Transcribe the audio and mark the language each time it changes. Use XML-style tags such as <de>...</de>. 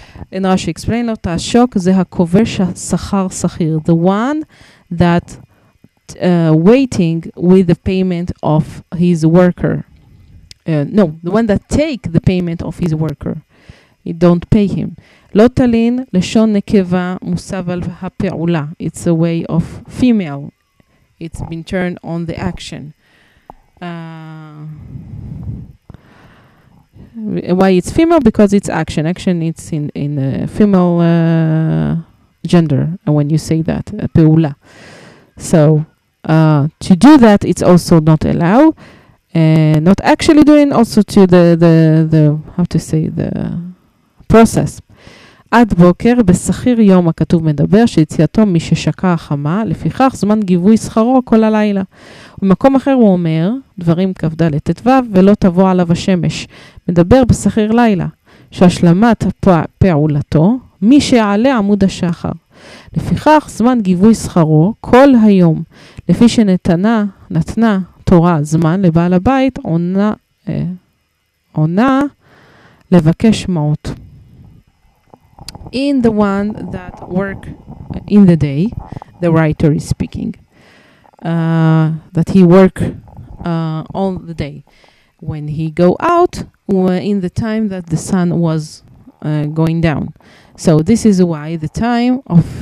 <en>And Rashi explained,</en> <he>lo tashok ze hakovesh sachar sachir,</he> <en>the one that waiting with the payment of his worker, the one that take the payment of his worker, he don't pay him.</en> <he>לא תלין לשון נקבה מוסב על הפעולה.</he> <en>It's a way of female. It's been turned on the action. Why it's female? Because it's action. Action, it's in a female gender when you say that, פעולה. So to do that, it's also not allowed. Not actually doing also to the process.</en> <he>עד בוקר בשכיר יום הכתוב מדבר שיציאתו מששקע החמה, לפיכך זמן גיווי שכרו כל הלילה. במקום אחר הוא אומר, דברים כבדה לתתווה ולא תבוא עליו השמש. מדבר בשכיר לילה, שהשלמת פעולתו, מי שיעלה עמוד השחר. לפיכך זמן גיווי שכרו כל היום. לפי שנתנה תורה זמן לבעל הבית, עונה לבקש מעות.</he> <en>In the one that work in the day, the writer is speaking, that he work all the day. When he go out, in the time that the sun was going down. So this is why the time of</en>